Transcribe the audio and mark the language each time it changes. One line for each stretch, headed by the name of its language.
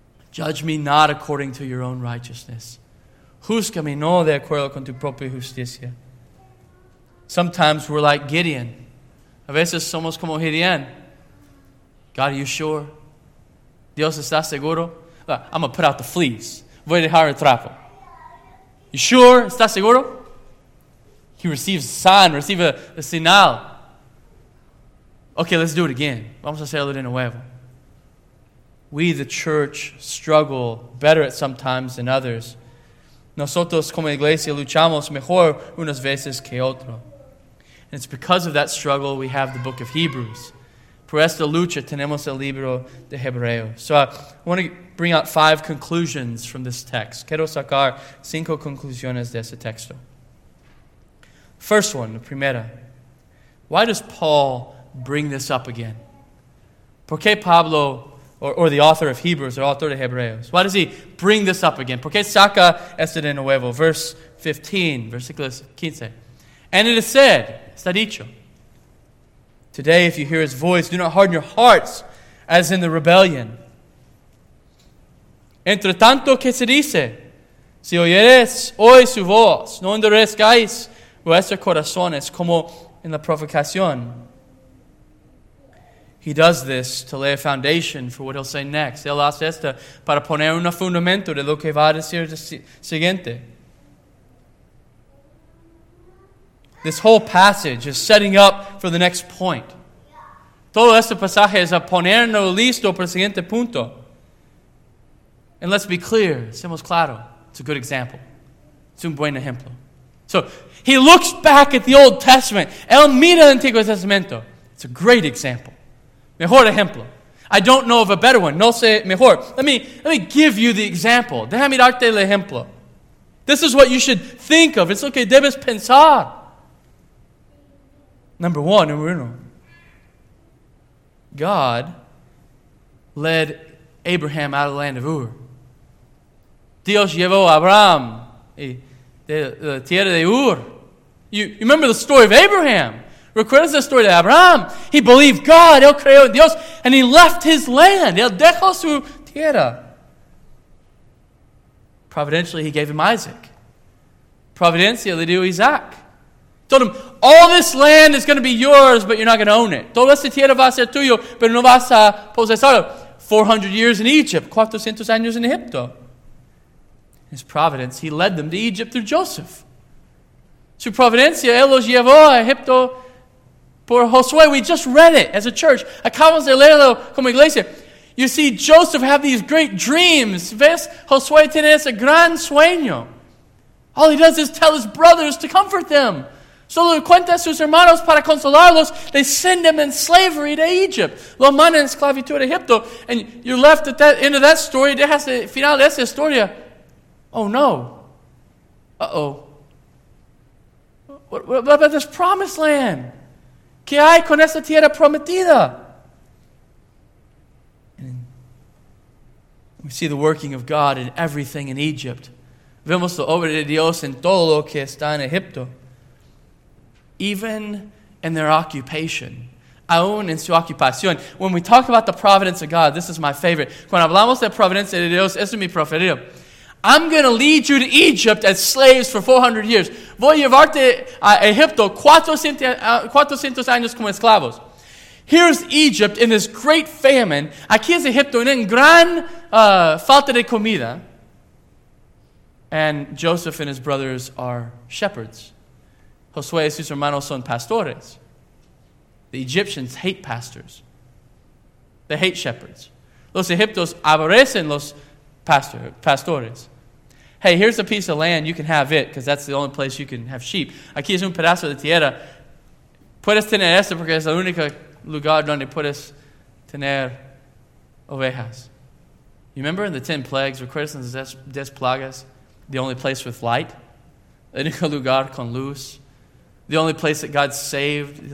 English: Judge me not according to your own righteousness.
Spanish: Júzgame no de acuerdo con tu propia justicia.
English: Sometimes we're like Gideon.
Spanish: A veces somos como Gideon.
English: God, are you sure?
Spanish: Dios, ¿estás seguro?
English: I'm going to put out the fleece.
Spanish: Voy a dejar el trapo.
English: You sure?
Spanish: ¿Estás seguro?
English: He receives a sign, receives a señal. Okay, let's do it again.
Spanish: Vamos a hacerlo de nuevo.
English: We, the church, struggle better at some times than others.
Spanish: Nosotros como iglesia luchamos mejor unas veces que otro.
English: And it's because of that struggle we have the book of Hebrews.
Spanish: Por esta lucha tenemos el libro de Hebreos.
English: So I want to bring out five conclusions from this text.
Spanish: Quiero sacar cinco conclusiones de este texto.
English: First one,
Spanish: la primera.
English: Why does Paul bring this up again?
Spanish: ¿Por qué Pablo,
English: or the author of Hebrews, or
Spanish: autor de Hebreos,
English: why does he bring this up again?
Spanish: ¿Por qué saca esto de nuevo?
English: Verse 15,
Spanish: versículo 15.
English: And it is said,
Spanish: está dicho,
English: today if you hear his voice, do not harden your hearts as in the rebellion.
Spanish: Entre tanto que se dice, si oyeres hoy su voz, no endurezcáis vuestros corazones como en la provocación.
English: He does this to lay a foundation for what he'll say next.
Spanish: Él hace esto para poner un fundamento de lo que va a decir el siguiente.
English: This whole passage is setting up for the next point.
Spanish: Todo este pasaje es a ponernos listo para el siguiente punto.
English: And let's be clear,
Spanish: seamos claro.
English: It's a good example.
Spanish: Es un buen ejemplo.
English: So, he looks back at the Old Testament.
Spanish: Él mira el Antiguo Testamento.
English: It's a great example.
Spanish: Mejor ejemplo.
English: I don't know of a better one.
Spanish: No sé mejor.
English: Let me give you the example.
Spanish: Déjame darte el ejemplo.
English: This is what you should think of.
Spanish: It's lo que debes pensar.
English: Number one,
Spanish: número uno.
English: God led Abraham out of the land of Ur.
Spanish: Dios llevó a Abraham de la tierra de Ur.
English: You remember the story of Abraham,
Spanish: ¿Recuerdas la historia de Abraham?
English: He believed God,
Spanish: él creyó en Dios,
English: and he left his land.
Spanish: Él dejó su tierra.
English: Providentially, he gave him Isaac.
Spanish: Providencia le dio Isaac.
English: Told him, all this land is going to be yours, but you're not going to own it.
Spanish: Toda esta tierra va a ser tuyo, pero no vas a posesarlo.
English: 400 years in Egypt,
Spanish: 400 años en Egipto.
English: His providence, he led them to Egypt through Joseph.
Spanish: Su providencia, él los llevó a Egipto por Josué.
English: We just read it as a church.
Spanish: Acabamos de leerlo como iglesia.
English: You see, Joseph had these great dreams.
Spanish: ¿Ves? Josué tiene ese gran sueño.
English: All he does is tell his brothers to comfort them.
Spanish: Solo cuenta a sus hermanos para consolarlos.
English: They send him in slavery to Egypt.
Spanish: Lo manda en esclavitud a Egipto.
English: And you're left at the end of that story.
Spanish: Dejas el final de esa historia. Oh, no. Uh-oh.
English: What about this promised land?
Spanish: ¿Qué hay con esa tierra prometida?
English: And we see the working of God in everything in Egypt.
Spanish: Vemos la obra de Dios en todo lo que está en Egipto.
English: Even in their occupation.
Spanish: Aún en su ocupación.
English: When we talk about the providence of God, this is my favorite.
Spanish: Cuando hablamos de providencia de Dios, eso es mi preferido.
English: I'm going to lead you to Egypt as slaves for 400 years.
Spanish: Voy a llevarte a Egipto 400 años como esclavos.
English: Here's Egypt in this great famine.
Spanish: Aquí es Egipto en gran falta de comida.
English: And Joseph and his brothers are shepherds.
Spanish: Josué y sus hermanos son pastores.
English: The Egyptians hate pastors. They hate shepherds.
Spanish: Los egiptos aborrecen los pastores.
English: Hey, here's a piece of land. You can have it because that's the only place you can have sheep.
Spanish: Aquí es un pedazo de tierra. Puedes tener esto porque es el único lugar donde puedes tener ovejas.
English: You remember in the 10 plagues,
Spanish: recuerdas en las 10 plagas?
English: The only place with light.
Spanish: El único lugar con luz.
English: The only place that God saved.